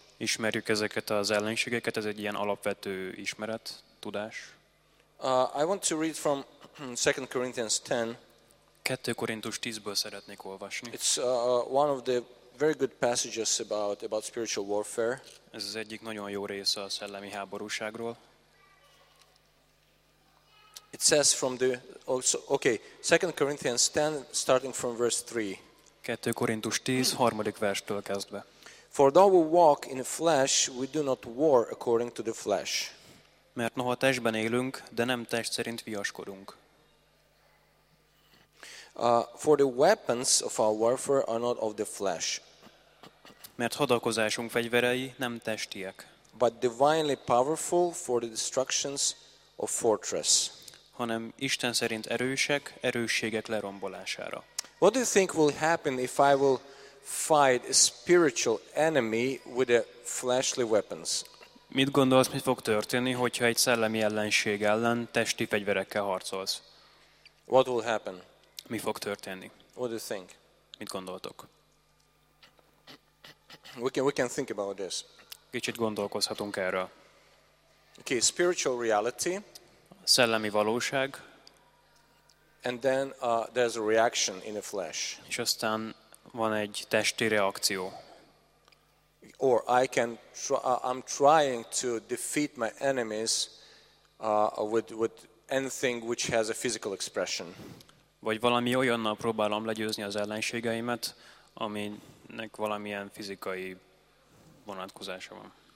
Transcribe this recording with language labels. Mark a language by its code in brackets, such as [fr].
[hu] Ismerjük ezeket az ellenségeket, ez egy ilyen alapvető ismeret, tudás. [en] I want to read from 2 Corinthians 10. [hu] 2 Korintus 10-ből szeretnék olvasni. [en] It's one of the very good passages about spiritual warfare. [hu] Ez az egyik nagyon jó része a szellemi háborúságról. [en] It says from the also, okay, 2 Corinthians 10 starting from verse 3. [hu] 2 Korintus 10 harmadik verstől kezdve. [en] For though we walk in the flesh, we do not war according to the flesh. [hu] Mert noha testben élünk, de nem test szerint viaskodunk. [en] For the weapons of our warfare are not of the flesh. [hu] Mert hadakozásunk fegyverei nem testiek. [en] But divinely powerful for the destructions of fortress. [hu] Hanem Isten szerint erősek, erősségek lerombolására. [en] What do you think will happen if I will fight a spiritual enemy with a fleshly weapons? [hu] Mit gondolsz, mi fog történni, hogyha egy szellemi ellenség ellen testi fegyverekkel harcolsz? [en] What will happen? [hu] Mi fog történni? [en] What do you think? [hu] Mit gondoltok? [en] We can think about this. [hu] Kicsit gondolkozhatunk erről. [en] Okay, spiritual reality. [hu] Szellemi valóság. [en] And then there's a reaction in the flesh. [hu] És aztán van egy testi reakció. [en] Or I can I'm trying to defeat my enemies with anything which has a physical expression. [hu] Vagy valami olyannal próbálom legyőzni az ellenségeimet, aminek valamilyen fizikai vonatkozása van.